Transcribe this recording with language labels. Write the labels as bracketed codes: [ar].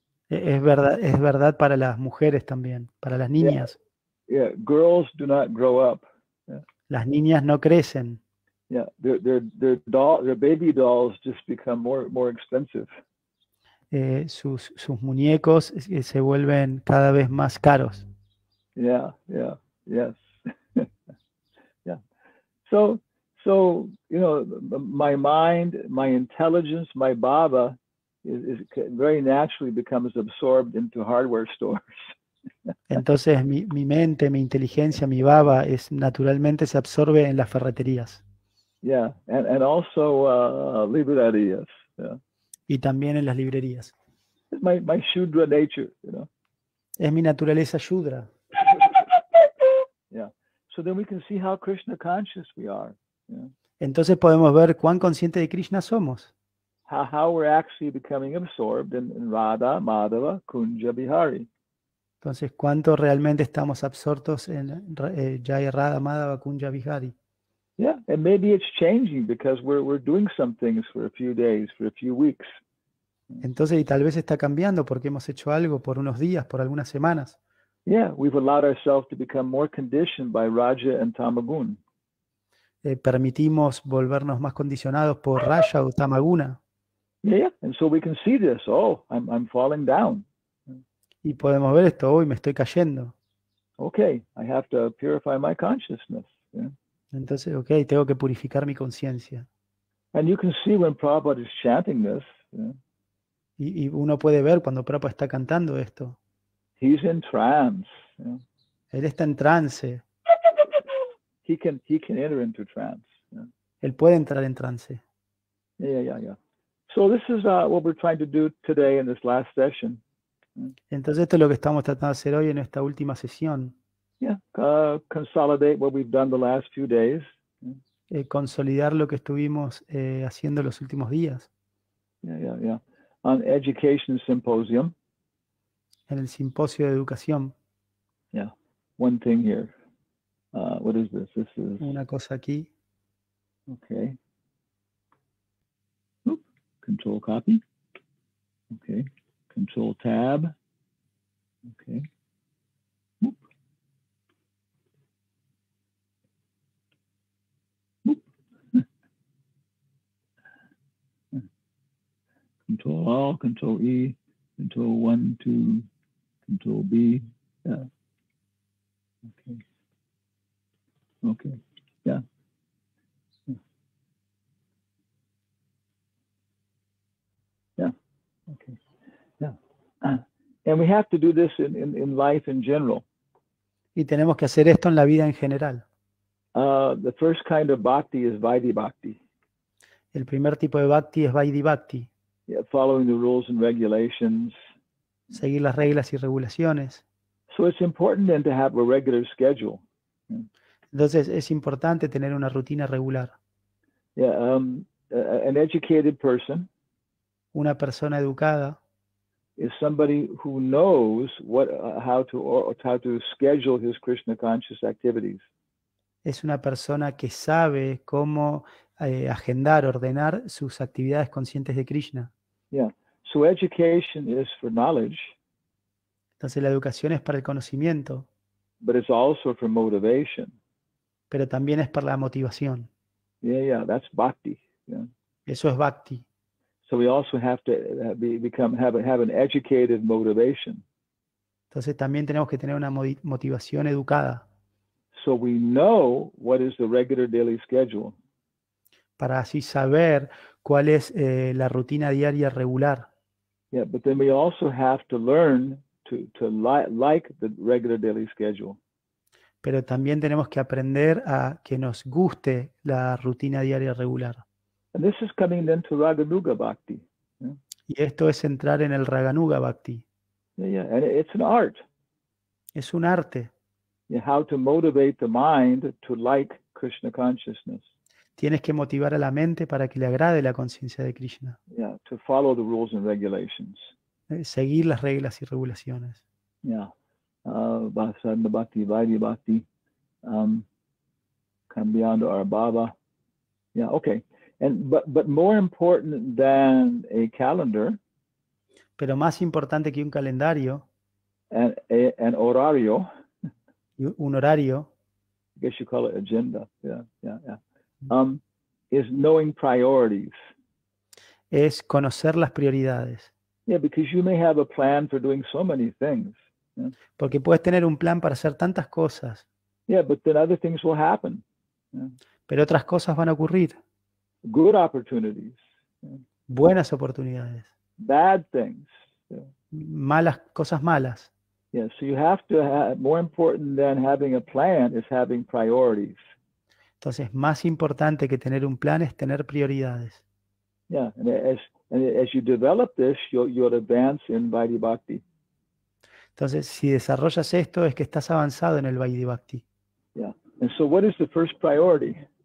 [es] Es verdad para las mujeres también, para las niñas. [en] Yeah, yeah. Girls do not grow up. Yeah. [es] Las niñas no crecen. [en] Yeah, their baby dolls just become more expensive. [es] Sus muñecos se vuelven cada vez más caros. [en] Yeah, yeah, yes. Yeah. So you know, my mind, my intelligence, my bhava is very naturally becomes absorbed into hardware stores. [es] Entonces mi mente, mi inteligencia, mi bhava es naturalmente se absorbe en las ferreterías. [en] Yeah, and also [es] librerías. [en] Yeah. [es] Y también en las librerías. [en] It's my shudra nature, you know. [es] Es mi naturaleza shudra. [en] Yeah. So then we can see how Krishna conscious we are. [es] Entonces podemos ver cuán consciente de Krishna somos. [en] How we're actually becoming absorbed in Radha, Madhava, Kunja, Bihari. [es] Entonces, ¿cuánto realmente estamos absortos en Jai Radha Madhava Kunja Vihari? [en] Yeah, and maybe it's changing because we're doing some things for a few days, for a few weeks. [es] Entonces, y tal vez está cambiando porque hemos hecho algo por unos días, por algunas semanas. [en] Yeah, we've allowed ourselves to become more conditioned by Raja and Tamagun. [es] Permitimos volvernos más condicionados por Raja o Tamaguna. [en] Yeah, and so we can see this. Oh, I'm falling down. [es] Y podemos ver esto. Hoy me estoy cayendo. [en] Okay, I have to purify my consciousness. Yeah. [es] Entonces, okay, tengo que purificar mi conciencia. [en] And you can see when Prabhupada is chanting this. Yeah. [es] Y uno puede ver cuando Prabhupada está cantando esto. [en] He's in trance. Yeah. [es] Él está en trance. [en] He can enter into trance. Yeah. [es] Él puede entrar en trance. [en] Yeah. So this is what we're trying to do today in this last session. [es] Entonces esto es lo que estamos tratando de hacer hoy en esta última sesión. [en] Consolidate what we've done the last few days. [es] Consolidar lo que estuvimos haciendo los últimos días. [en] Yeah. On education symposium. [es] En el simposio de educación. [en] Yeah. One thing here. What is this? This is. [es] Una cosa aquí. [en] Okay. Oop. Control copy. Okay. Control tab. Okay. Boop. Boop. Control all, control E, control 1, 2, control B. Yeah. Okay. Okay. Yeah. Yeah. Okay. And we have to do this in life in general. [es] Y tenemos que hacer esto en la vida en general. [en] The first kind of bhakti is vaidhi bhakti. [es] El primer tipo de bhakti es vaidhi bhakti. [en] Yeah, following the rules and regulations. [es] Seguir las reglas y regulaciones. [en] So it's important then to have a regular schedule. [es] Entonces es importante tener una rutina regular. [en] Yeah, an educated person. [es] Una persona educada. [en] Is somebody who knows what how to schedule his Krishna conscious activities. [es] Es una persona que sabe cómo agendar, ordenar sus actividades conscientes de Krishna. [en] Yeah. So education is for knowledge. [es] Entonces la educación es para el conocimiento. [en] But it's also for motivation. [es] Pero también es para la motivación. [en] Yeah, that's bhakti. Yeah. [es] Eso es bhakti. [en] So we also have to have an educated motivation. [es] Entonces también tenemos que tener una motivación educada. [en] So we know what is the regular daily schedule. [es] Para así saber cuál es la rutina diaria regular. [en] Yeah, but then we also have to learn to like the regular daily schedule. [es] Pero también tenemos que aprender a que nos guste la rutina diaria regular. [en] And this is coming then to Raganuga Bhakti. [es] Y esto es entrar en el Raganuga Bhakti. [en] Yeah, and it's an art. [es] Es un arte. [en] Yeah, how to motivate the mind to like Krishna consciousness. [es] Tienes que motivar a la mente para que le agrade la conciencia de Krishna. [en] Yeah, to follow the rules and regulations. [es] Seguir las reglas y regulaciones. [en] Yeah, Vasana Bhakti, Vaidhi Bhakti, [es] cambiando [en] our Baba. Yeah, okay. And but more important than a calendar, [es] pero más importante que un calendario, an horario, un horario, [en] I guess you call it agenda, yeah. Is knowing priorities. [es] Es conocer las prioridades. [en] Yeah, because you may have a plan for doing so many things. Yeah? [es] Porque puedes tener un plan para hacer tantas cosas. [en] Yeah, but then other things will happen. Yeah? [es] Pero otras cosas van a ocurrir. [en] Good opportunities. [es] Buenas oportunidades. [en] Bad things. [es] Malas cosas malas. [en] Yeah, so you have to have more important than having a plan is having priorities. [es] Entonces, más importante que tener un plan es tener prioridades. [en] Yeah, and as you develop this, you'll advance in Vaidhi Bhakti. [es] Entonces, si desarrollas esto, es que estás avanzado en el Vaidhi Bhakti. [en] Yeah, and so what is the first priority?